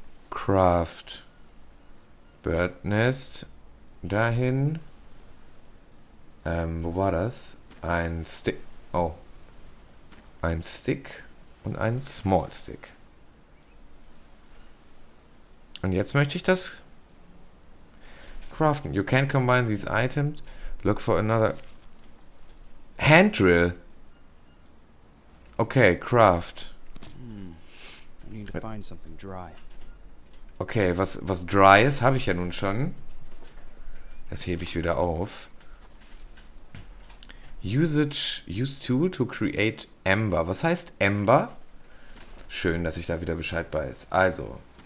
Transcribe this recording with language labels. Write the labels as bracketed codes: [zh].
[en] Craft. Bird Nest. Dahin. [de] Wo war das? Ein Stick. Oh. Ein Stick und ein Small Stick. Und jetzt möchte ich das craften. [en] You can combine these items. Look for another hand drill. Okay, craft. I need to find something dry. [de] Okay, was dry ist, habe ich ja nun schon. Das hebe ich wieder auf. [en] Use tool to create ember. [de] Was heißt ember? Schön, dass ich da wieder Bescheid weiß. Also.